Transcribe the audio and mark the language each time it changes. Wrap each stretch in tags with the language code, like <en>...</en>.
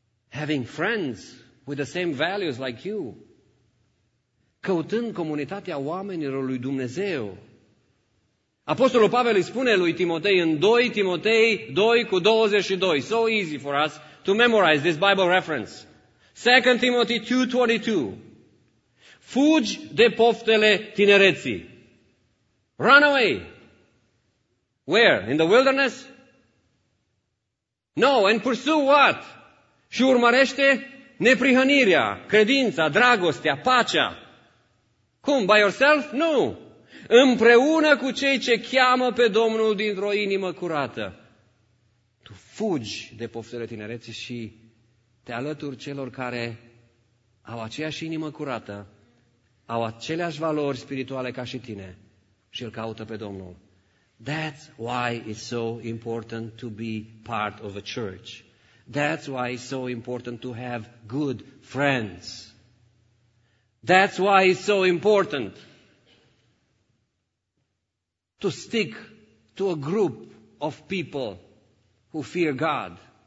<en>Having friends with the same values like you.</en> <ro>Căutând comunitatea oamenilor lui Dumnezeu. Apostolul Pavel îi spune lui Timotei în 2 Timotei 2:22.</ro> <en>So easy for us to memorize this Bible reference. 2 Timothy 2:22.</en> <ro>Fugi de poftele tinereții.</ro> <en>Run away. Where? In the wilderness? No, and pursue what?</en> <ro>Și urmărește neprihănirea, credința, dragostea, pacea. Cum?</ro> <en>By yourself?</en> <ro>Nu. Împreună cu cei ce cheamă pe Domnul dintr-o inimă curată. Tu fugi de poftele tinereții și te alături celor care au aceeași inimă curată, au aceleași valori spirituale ca și tine și îl caută pe Domnul.</ro> <en>That's why it's so important to be part of a church. That's why it's so important to have good friends. That's why it's so important to stick to a group of people who fear God.</en>